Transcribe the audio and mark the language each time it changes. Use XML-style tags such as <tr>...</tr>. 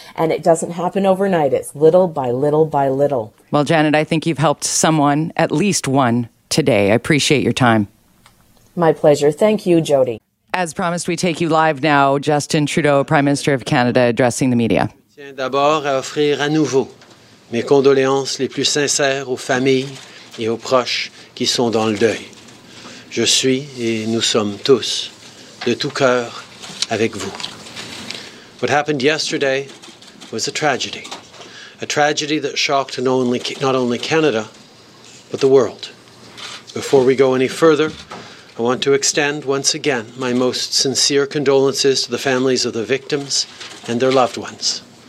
<en>And it doesn't happen overnight. It's little by little by little. Well, Janet, I think you've helped someone, at least one, today. I appreciate your time. My pleasure. Thank you, Jody. As promised, we take you live now. Justin Trudeau, Prime Minister of Canada, addressing the media.</en> <fr>D'abord, à offrir à nouveau mes condoléances les plus sincères aux familles et aux proches qui sont dans le deuil. Je suis et nous sommes tous de tout cœur avec vous.</fr> <en>What happened yesterday was a tragedy that shocked not only Canada, but the world. Before we go any further, I want to extend once again my most sincere condolences to the families of the victims and their loved ones.</en>